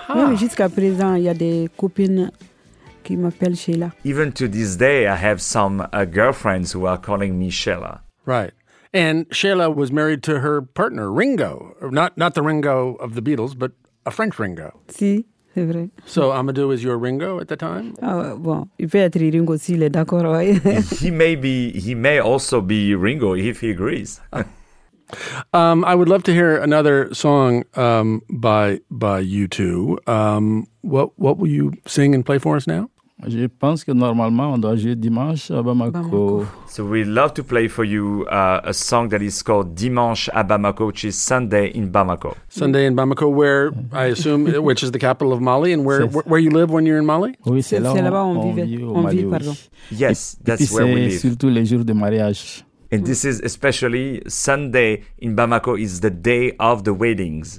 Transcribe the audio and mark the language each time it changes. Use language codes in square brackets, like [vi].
[fr] Même jusqu'à présent, il y a des copines. [en] Even to this day, I have some girlfriends who are calling me Sheila. Right. And Sheila was married to her partner, Ringo. Not the Ringo of the Beatles, but a French Ringo. [fr] Si, c'est vrai. [en] So Amadou is your Ringo at the time? [fr] Bon, il peut être Ringo s'il est d'accord, oui. [en] He may also be Ringo if he agrees. I would love to hear another song by you two. What will you sing and play for us now? [fr] Je pense que normalement on doit jouer Dimanche à Bamako. [en] So we'd love to play for you a song that is called Dimanche à Bamako, which is Sunday in Bamako. Sunday in Bamako, where I assume, which is the capital of Mali, and where you live when you're in Mali? [fr] Oui, c'est là-bas où on vit, pardon. [en] Yes, that's [fr] puis [en] where we live. [fr] C'est surtout les jours de mariage. [en] And this is especially Sunday in Bamako is the day of the weddings.